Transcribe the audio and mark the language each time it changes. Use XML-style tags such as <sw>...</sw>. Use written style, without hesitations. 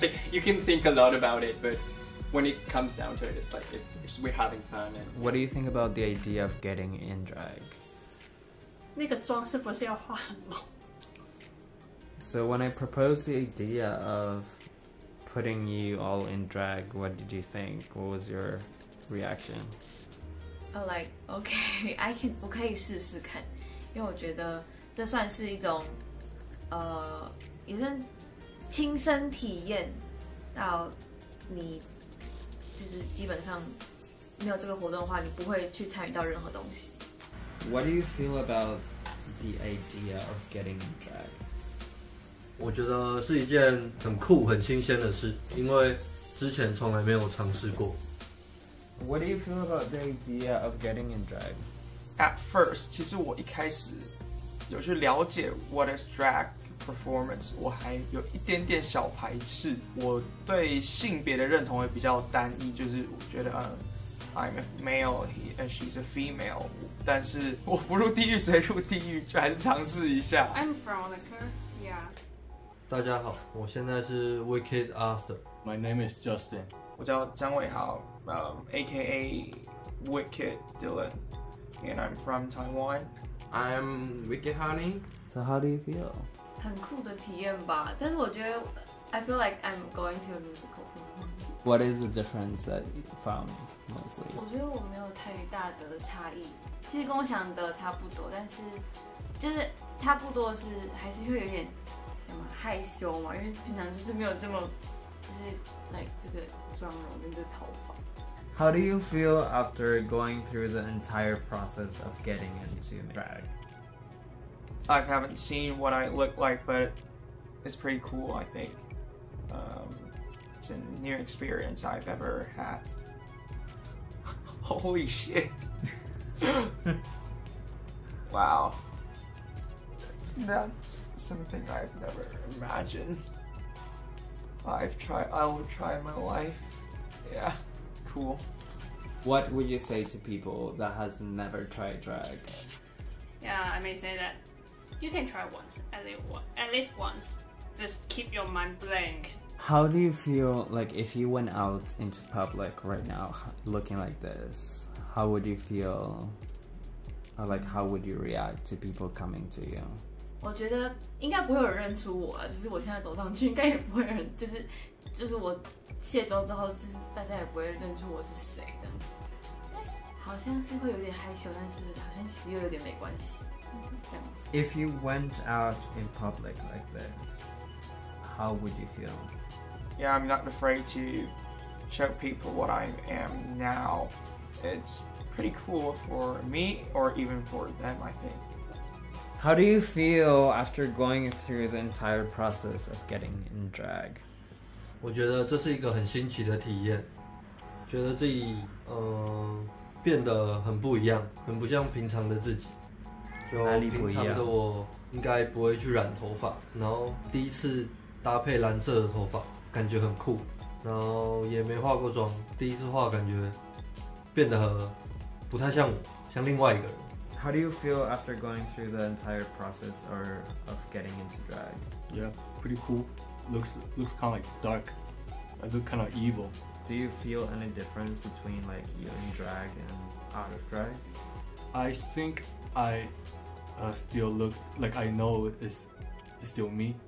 <en>You can think a lot about it, but when it comes down to it, it's we're having fun. And, yeah. What do you think about the idea of getting in drag?</en> <zh>那个妆是不是要化很浓？</zh> <en>So when I proposed the idea of putting you all in drag, what did you think? What was your reaction?</en> <zh>Okay, 我可以试试看，因为我觉得这算是一种，也算。亲身体验到你就是基本上没有这个活动的话，你不会去参与到任何东西。</zh> <en>What do you feel about the idea of getting drag?</en> <zh>我觉得是一件很酷很新鲜的事，因为之前从来没有尝试过。</zh> <en>What do you feel about the idea of getting in drag? At first,</en> <zh>其实我一开始有去了解</zh> <en>what is drag performance,</en> <zh>我还有一点点小排斥，我对性别的认同也比较单一，就是我觉得</zh> <en>I'm a male, and she's a female.</en> <zh>但是我不入地狱谁入地狱，就还是尝试一下。</zh> <en>I'm Veronica, yeah.</en> <zh>大家好，我现在是 Wicked Arthur.</zh> <en>My name is Justin.</en> <zh>我叫张伟豪，AKA Wicked Dylan,</zh> <en>and I'm from Taiwan. I'm Wicked Honey. So how do you feel?</en> <zh>很酷的体验吧，但是我觉得</zh> <en>I feel like I'm going to a musical. What is the difference that you found mostly?</en> <zh>我觉得我没有太大的差异，其实跟我想的差不多，但是就是差不多是还是会有点什么害羞嘛，因为平常就是没有这么就是</zh> <en>like</en> <zh>这个妆容跟这个头发。</zh> <en>How do you feel after going through the entire process of getting into drag? I haven't seen what I look like, but it's pretty cool, I think. It's a new experience I've ever had. Holy shit. Wow. That's something I've never imagined. I will try my life. Yeah, cool. What would you say to people that has never tried drag? Yeah, I may say that you can try once, at least once. Just keep your mind blank. How do you feel like if you went out into public right now looking like this, how would you feel, or like how would you react to people coming to you?</en> <zh>我觉得应该不会有人认出我啊，就是我现在走上去应该也不会有人，就是我卸妆之后，就是大家也不会认出我是谁的。好像是会有点害羞，但是好像其实又有点没关系，这样子。</zh> <en>If you went out in public like this, how would you feel? Yeah, I'm not afraid to show people what I am now. It's pretty cool for me or even for them, I think. How do you feel after going through the entire process of getting in drag?</en> <zh>我觉得这是一个很新奇的体验，觉得自己变得很不一样，很不像平常的自己。就平常的我应该不会去染头发，然后第一次搭配蓝色的头发。感觉很酷，然后也没化过妆，第一次化感觉变得不太像我，像另外一个人。</zh> <en>How do you feel after going through the entire process or of getting into drag? Yeah, pretty cool. Looks kind of like dark. I look kind of evil. Do you feel any difference between like you in drag and out of drag? I think I still look like I know it's still me.</en>